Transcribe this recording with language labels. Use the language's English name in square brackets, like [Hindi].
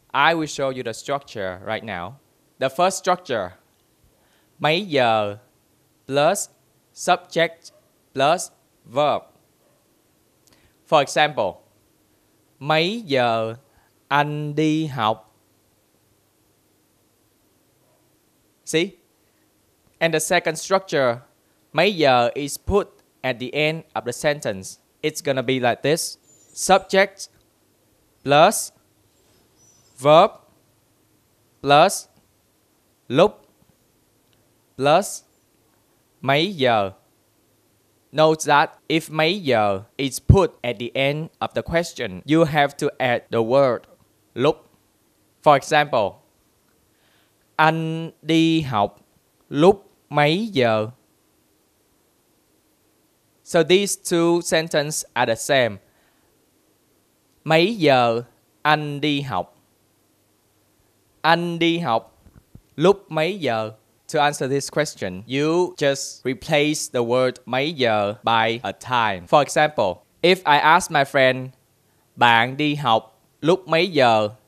[English] I will show you the structure right now. The first structure, mấy giờ plus subject plus verb. For example, [Vietnamese] mấy giờ anh đi học? [English] See? And the second structure, mấy giờ is put at the end of the sentence. It's gonna be like this. Subject plus verb plus lúc plus mấy giờ. Note that if mấy giờ is put at the end of the question, you have to add the word lúc. For example, [Vietnamese] anh đi học lúc mấy giờ? [English] So these two sentences are the same. [Vietnamese] Mấy giờ anh đi học? Anh đi học lúc mấy giờ? [English] To answer this question, you just replace the word mấy giờ by a time. For example, if I ask my friend, [Vietnamese] bạn đi học lúc mấy giờ?